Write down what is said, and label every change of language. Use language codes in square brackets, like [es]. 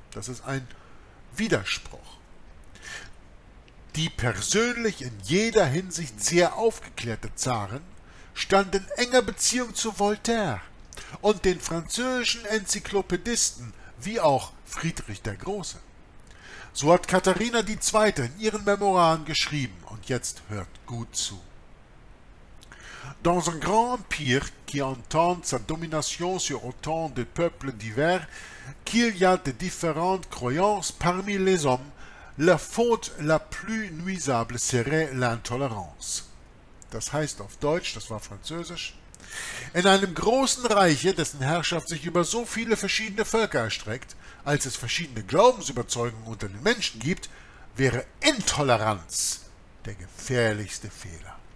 [de] Das ist ein Widerspruch. Die persönlich in jeder Hinsicht sehr aufgeklärte Zaren stand in enger Beziehung zu Voltaire und den französischen Enzyklopädisten wie auch Friedrich der Große. So hat Katharina II. In ihren Memoiren geschrieben und jetzt hört gut zu. [fr] Dans un grand empire qui entend sa domination sur autant de peuples divers, qu'il y a de différentes croyances parmi les hommes, la faute la plus nuisible serait l'intolérance. [de] Das heißt auf Deutsch, das war Französisch. In einem großen Reiche, dessen Herrschaft sich über so viele verschiedene Völker erstreckt, als es verschiedene Glaubensüberzeugungen unter den Menschen gibt, wäre Intoleranz der gefährlichste Fehler.